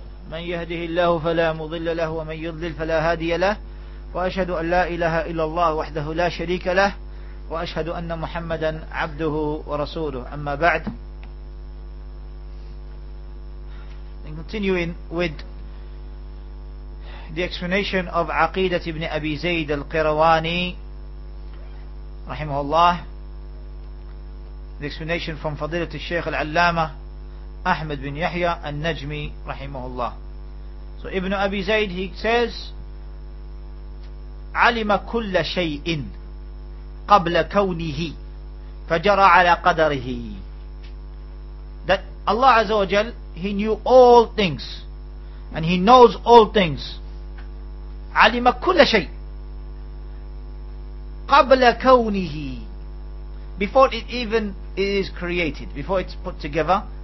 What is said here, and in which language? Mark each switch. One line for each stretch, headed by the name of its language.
Arabic: من يهده الله فلا مضل له ومن يضلل فلا هادي له وأشهد أن لا إله إلا الله وحده لا شريك له وأشهد أن محمدا عبده ورسوله أما بعد.
English: And continuing with the explanation of
Arabic: عقيدة ابن أبي زيد القيرواني رحمه الله,
English: the explanation from
Arabic: فضيلة الشيخ العلامة
English: Ahmed bin Yahya al-Najmi rahimahullah. So Ibn Abi Zayd, he says,
Arabic: عَلِمَ كُلَّ شَيْءٍ قَبْلَ كَوْنِهِ فَجَرَى عَلَى قَدَرِهِ.
English: That Allah Azza wa Jal, He knew all things and He knows all things.
Arabic: عَلِمَ كُلَّ شَيْءٍ قَبْلَ كَوْنِهِ,
English: before it even is created, before it's put together.